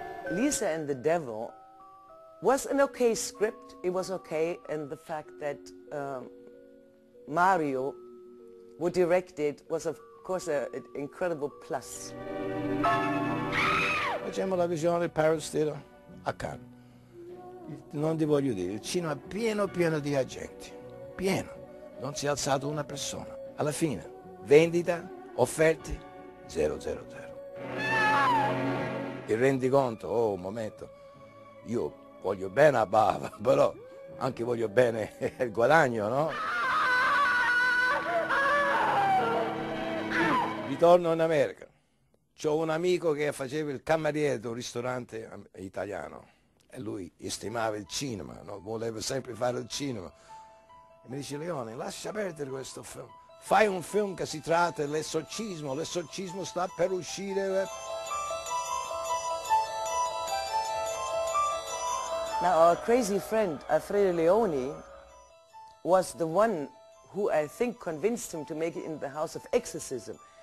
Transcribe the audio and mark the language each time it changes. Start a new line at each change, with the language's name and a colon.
English: Lisa and the Devil was an okay script. It was okay, and the fact that Mario would direct it was of course an incredible plus.
Italian: Facciamo la visione del Paris Theater. A Cannes, non ti voglio dire, il cinema pieno di agenti, pieno, non si è alzato una persona. Alla fine, vendita, offerte, 000. Il rendiconto, oh un momento, io voglio bene a Bava, però anche voglio bene il guadagno, no? Ritorno in America. C'ho un amico che faceva il cameriere di un ristorante italiano e lui stimava il cinema, no? Voleva sempre fare il cinema. E mi dice, Leone, lascia perdere questo film. Fai un film che si tratta dell'esorcismo, l'esorcismo sta per uscire.
English: Now our crazy friend Alfredo Leone was the one who I think convinced him to make it in the House of Exorcism.